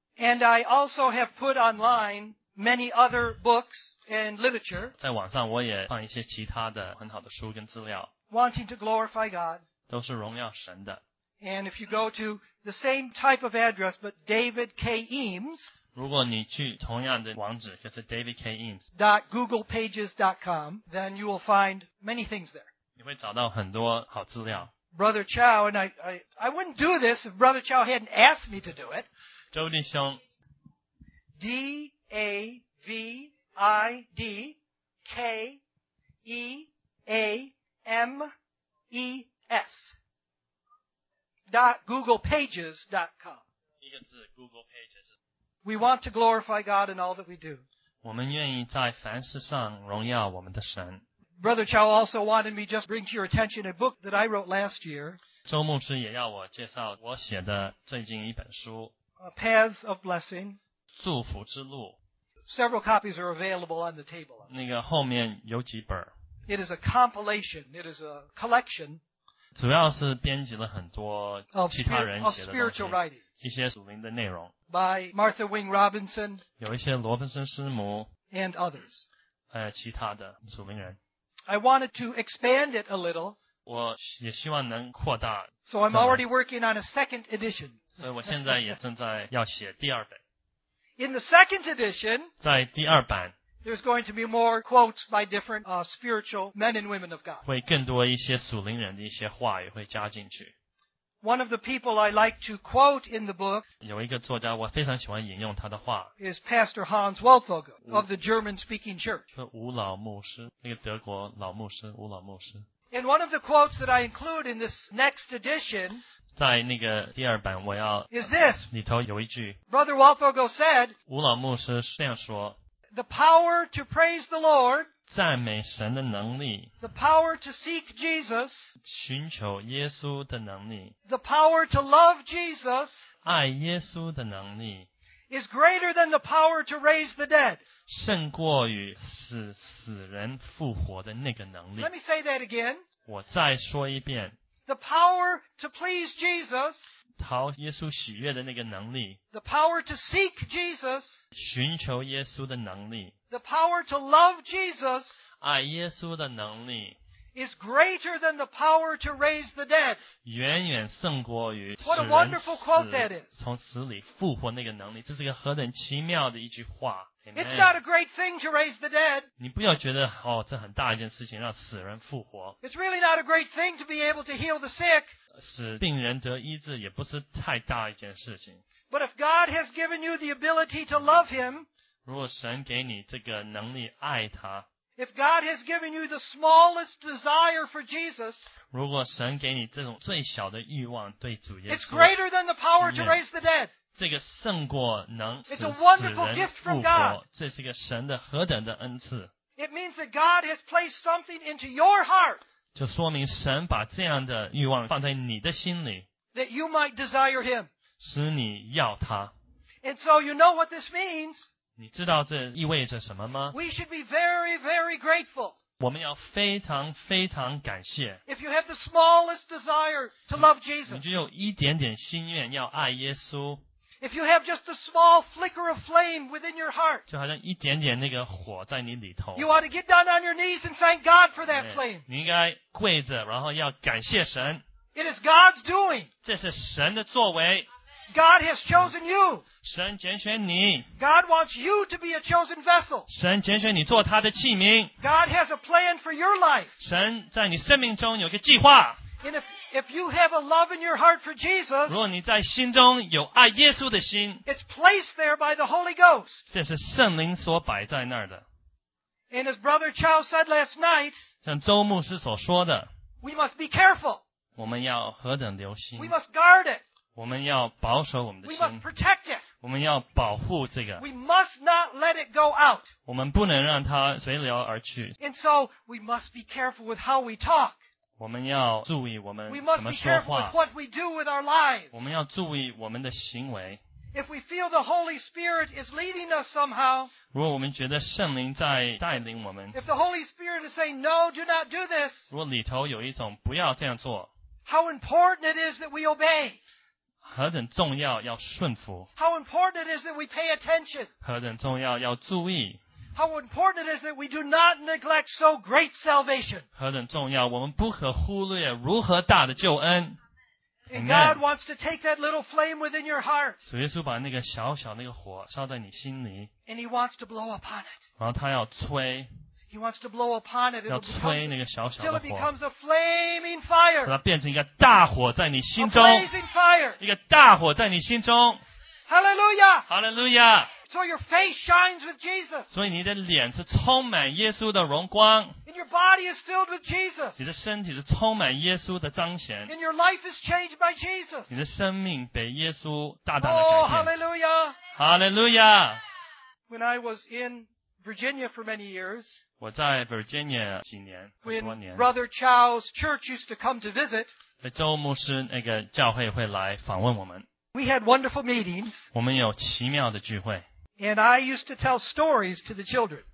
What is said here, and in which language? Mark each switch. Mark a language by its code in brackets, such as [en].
[en] And I also have put online many other books and literature. [zh] 在网上我也放一些其他的很好的书跟资料。 [en] Wanting to glorify God. [zh] 都是荣耀神的。 [en] And if you go to the same type of address, but David K. Eames. [zh] 如果你去同样的网址，就是 David K. Eames. [en] .GooglePages.com, then you will find many things there. [zh] 你会找到很多好资料。 [en] Brother Chow, and I wouldn't do this if Brother Chow hadn't asked me to do it. [zh] 周弟兄 [en] DavidKeames. .googlepages.com. [zh] 一个字 Google Pages. [en] We want to glorify God in all that we do. [zh] 我们愿意在凡事上荣耀我们的神。 [en] Brother Chow also wanted me just bring to your attention a book that I wrote last year. [zh] 周牧师也要我介绍我写的最近一本书。 [en] Paths of Blessing. [zh] 祝福之路。 [en] Several copies are available on the table. [zh] 那个后面有几本。 [en] It is a compilation. It is a collection. [zh] 主要是编辑了很多其他人写的 [en] of spiritual writings. [zh] 一些属灵的内容。 [en] By Martha Wing Robinson. [zh] 有一些罗宾森师母。 [en] And others. [zh] 其他的属灵人。 [en] I wanted to expand it a little. [zh] 我也希望能扩大。 [en] So I'm already working on a second edition. [zh] 所以我现在也正在要写第二本。 [en] In the second edition, [zh] 在第二版, [en] there's going to be more quotes by different spiritual men and women of God. [zh] 会更多一些属灵人的一些话也会加进去。 [en] One of the people I like to quote in the book, [zh] 有一个作家我非常喜欢引用他的话, [en] is Pastor Hans Wolfogel of the German-speaking church. [zh] 吴老牧师,那个德国老牧师,吴老牧师。 [en] And one of the quotes that I include in this next edition, [zh] 在那个第二版我要, [en] is this, [zh] 里头有一句, [en] Brother Wolfogel said, [zh] 吴老牧师这样说, [en] the power to praise the Lord, [zh] 赞美神的能力, [en] the power to seek Jesus, [zh] 寻求耶稣的能力 [en] The power to love Jesus [zh] 爱耶稣的能力 [en] is greater than the power to raise the dead [zh] 胜过于使死人复活的那个能力 [en] Let me say that again [zh] 我再说一遍 [en] The power to please Jesus [zh] 讨耶稣喜悦的那个能力 [en] The power to seek Jesus [zh] 寻求耶稣的能力 [en] The power to love Jesus [zh] 爱耶稣的能力 [en] is greater than the power to raise the dead. [zh] 远远胜过于使人死, [en] What a wonderful quote that is. [zh] 从死里复活那个能力,这是一个何等奇妙的一句话。 [en] Amen. It's not a great thing to raise the dead. [zh] 你不要觉得,哦,这很大一件事情,让死人复活。 [en] It's really not a great thing to be able to heal the sick. [zh] 使病人得医治也不是太大一件事情。 [en] But if God has given you the ability to love him, [zh] 如果神给你这个能力爱他, [en] If God has given you the smallest desire for Jesus, [zh] 如果神给你这种最小的欲望对主耶稣, [en] it's greater than the power to raise the dead. [zh] 这个胜过能使死人复活, [en] it's a wonderful gift from God. [zh] 这是个神的何等的恩赐。 [en] It means that God has placed something into your heart. [zh] 就说明神把这样的欲望放在你的心里, [en] that you might desire him. [zh] 使你要他。 [en] And so you know what this means. [zh] 你知道这意味着什么吗 [en] We should be very, very grateful. [zh] 我们要非常非常感谢 [en] If you have the smallest desire to love Jesus, [zh] 你只有一点点心愿要爱耶稣 [en] If you have just a small flicker of flame within your heart, [zh] 就好像一点点那个火在你里头 [en] You ought to get down on your knees and thank God for that flame. [zh] 你应该跪着然后要感谢神 [en] It is God's doing. [zh] 这是神的作为 [en] God has chosen you. [zh] 神拣选你。 [en] God wants you to be a chosen vessel. [zh] 神拣选你做他的器皿。 [en] God has a plan for your life. [zh] 神在你生命中有个计划。 [en] And if you have a love in your heart for Jesus, [zh] 如果你在心中有爱耶稣的心。 [en] It's placed there by the Holy Ghost. [zh] 这是圣灵所摆在那儿的。 [en] And as Brother Chow said last night, [zh] 像周牧师所说的。 [en] We must be careful. [zh] 我们要何等留心。 [en] We must guard it. [zh] 我们要保守我们的心 [en] We must protect it. [zh] 我们要保护这个 [en] We must not let it go out. [zh] 我们不能让它随流而去 [en] And so we must be careful with how we talk. [zh] 我们要注意我们怎么说话 [en] We must be careful with what we do with our lives. [zh] 我们要注意我们的行为 [en] If we feel the Holy Spirit is leading us somehow, [zh] 如果我们觉得圣灵在带领我们 [en] If the Holy Spirit is saying, no, do not do this, [zh] 如果里头有一种不要这样做 [en] How important it is that we obey. [zh] 何等重要要顺服 [en] How important it is that we pay attention. [zh] 何等重要要注意 [en] How important it is that we do not neglect so great salvation. [zh] 何等重要我们不可忽略如何大的救恩 [en] And God wants to take that little flame within your heart. [zh] 主耶稣把那个小小那个火烧在你心里 [en] And he wants to blow upon it. [zh] 然后他要吹 [en] He wants to blow upon it. [zh] 要吹那个小小的火。 [en] Till it becomes a flaming fire. [zh] 让它变成一个大火在你心中。 [en] A blazing fire. [zh] 一个大火在你心中。 [en] Hallelujah. Hallelujah. So your face shines with Jesus. [zh] 所以你的脸是充满耶稣的荣光。 [en] And your body is filled with Jesus. [zh] 你的身体是充满耶稣的彰显。 [en] And your life is changed by Jesus. [zh] 你的生命被耶稣大大的改变。 [en] Oh, Hallelujah. Hallelujah. When I was in Virginia for many years. [zh] 我在 Virginia 几年，很多年。 [en] Brother Chow's church used to come to visit. [zh] 在周牧师那个教会会来访问我们。 [en] We had wonderful meetings. [zh] 我们有奇妙的聚会。 [en] And I used to tell stories to the children.